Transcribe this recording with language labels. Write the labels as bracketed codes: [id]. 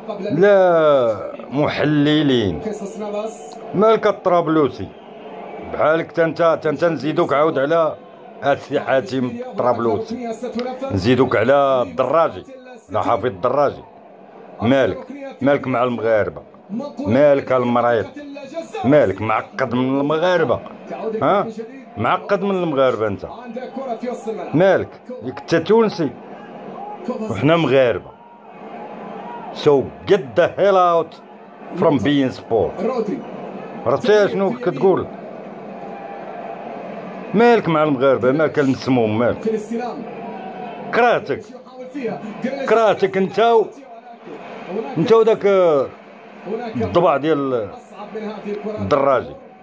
[ar] لا محللين، مالك الطرابلسي بحالك تنتا تنتا نزيدوك عاود على السي حاتم طرابلسي، نزيدوك على الدراجي، لا حافظ الدراجي، مالك مالك مع المغاربة، مالك المريض، مالك معقد من المغاربة، ها معقد من المغاربة انت، مالك انت تونسي وحنا مغاربة. [en] So get the hell out from being sport. [ar] عرفتي شنو كتقول؟ مالك مع المغاربة، مالك المسموم، مالك كراتك كراتك انت و انت وداك الضبع ديال الدراجي.